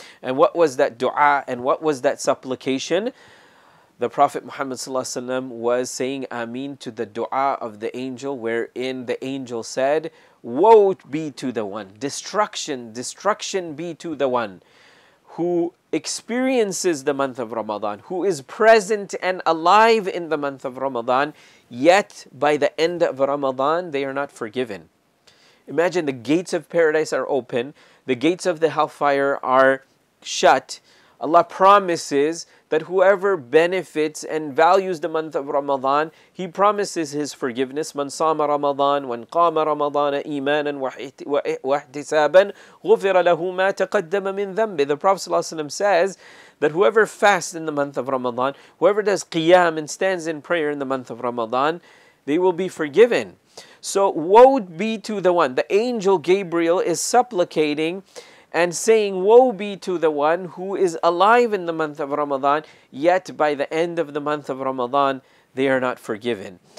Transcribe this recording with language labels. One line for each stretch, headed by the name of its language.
English: And what was that dua and what was that supplication? The Prophet Muhammad ﷺ was saying Ameen to the dua of the angel, wherein the angel said, Woe be to the one, destruction, destruction be to the one who experiences the month of Ramadan, who is present and alive in the month of Ramadan, yet by the end of Ramadan, they are not forgiven. Imagine the gates of paradise are open, the gates of the hellfire are shut. Allah promises that whoever benefits and values the month of Ramadan, He promises His forgiveness.
Arabic: من صام رمضان ومن قام رمضان إيمانا وحتسابا غفر له ما تقدم من ذنبه.
English: The Prophet ﷺ says that whoever fasts in the month of Ramadan, whoever does qiyam and stands in prayer in the month of Ramadan, they will be forgiven. So woe be to the one. The angel Gabriel is supplicating and saying, woe be to the one who is alive in the month of Ramadan, yet by the end of the month of Ramadan, they are not forgiven.